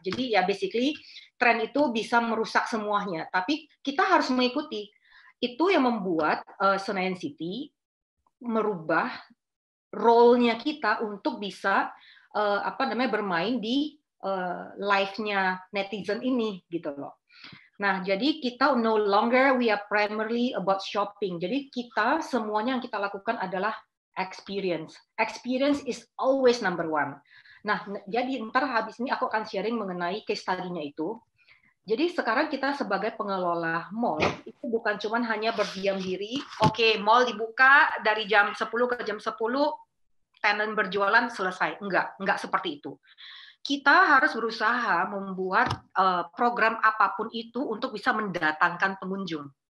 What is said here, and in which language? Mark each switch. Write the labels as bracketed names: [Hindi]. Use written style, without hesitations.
[Indonesian] Jadi ya basically, tren itu bisa merusak semuanya. Tapi kita harus mengikuti. Itu yang membuat Senayan City merubah role-nya kita untuk bisa bermain di life-nya netizen ini, gitu loh. Nah, jadi kita [English] no longer we are primarily about shopping. [Indonesian] Jadi kita semuanya yang kita lakukan adalah experience. [English] Experience is always number one. [Indonesian] Nah, jadi ntar habis ini aku akan sharing mengenai case study-nya itu. Jadi sekarang kita sebagai pengelola mall, itu bukan cuma hanya berdiam diri, okay, mall dibuka dari jam 10 ke jam 10, tenant berjualan, selesai. Enggak seperti itu. Kita harus berusaha membuat program apapun itu untuk bisa mendatangkan pengunjung.